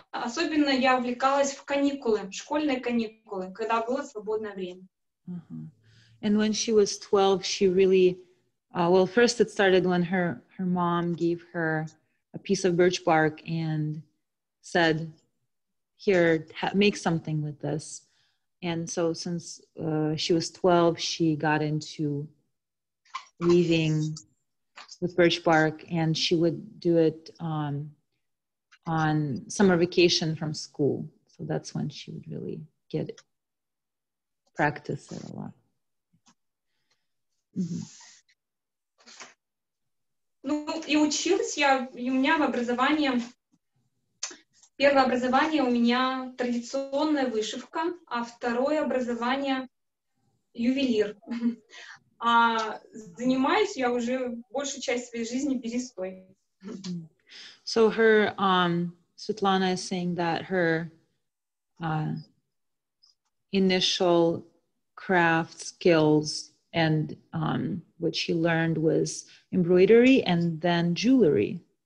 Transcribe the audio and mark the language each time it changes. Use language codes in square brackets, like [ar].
[ru] Особенно я увлекалась в каникулы, в школьные каникулы, когда было свободное время. Uh-huh. [en] And when she was 12, she really, well, first it started when her mom gave her a piece of birch bark and said, here, make something with this. And so since she was 12, she got into weaving with birch bark, and she would do it on summer vacation from school. So that's when she would really get it, practice it a lot. [ru] Ну, и училась я, у меня в образовании, первое образование у меня традиционная вышивка, а второе образование ювелир. А занимаюсь я уже большую часть своей жизни берестой. [en] So her, Светлана is saying that her initial craft skills and what she learned was embroidery and then jewelry.